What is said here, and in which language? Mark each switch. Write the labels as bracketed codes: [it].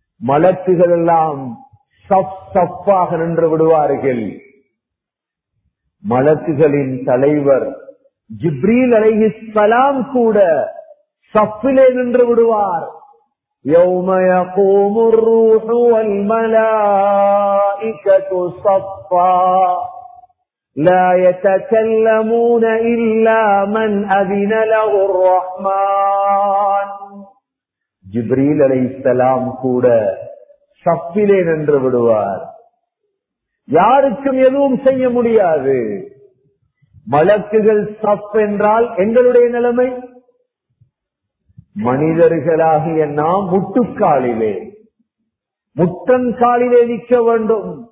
[ta] மலக்குகள் எல்லாம் சஃப்பாக நின்று விடுவார்கள். மலக்குகளின் தலைவர் ஜிப்ரீல் அலைஹிஸ்ஸலாம் கூட சஃப்பிலே நின்று விடுவார். [ar] يوم يقوم الروح والملائكة صفا لا يتكلمون إلا من أذن له الرحمن. [ta] ஜிப்ரீல் அலைஹிஸ்ஸலாம் கூட சஃப்பிலே நின்று விடுவார். யாருக்கும் எதுவும் செய்ய முடியாது. மலக்குகள் சஃப் என்றால் எங்களுடைய நிலைமை, மனிதர்களாகிய நாம் முட்டுக்காலிலே, முட்டன் காலிலே நிற்க வேண்டும்.